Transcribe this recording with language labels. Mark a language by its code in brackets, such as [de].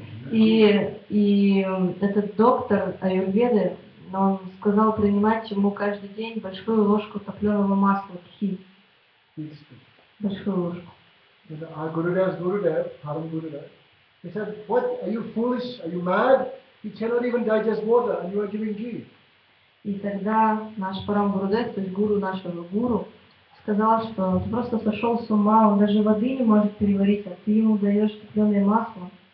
[ru] И этот доктор Аюрведы, он сказал принимать ему каждый день большую ложку топленого масла, ки. Большую ложку. [en] Our Gurudev's Gurudev, Param Gurudev, he said, what, are you foolish, are you mad? You cannot even digest water and you are giving ghee. [ru] И тогда наш Парам Гурудев, то есть гуру нашего гуру, сказал, что ты просто сошел с ума, он даже воды не может переварить, а ты ему даешь топленое масло.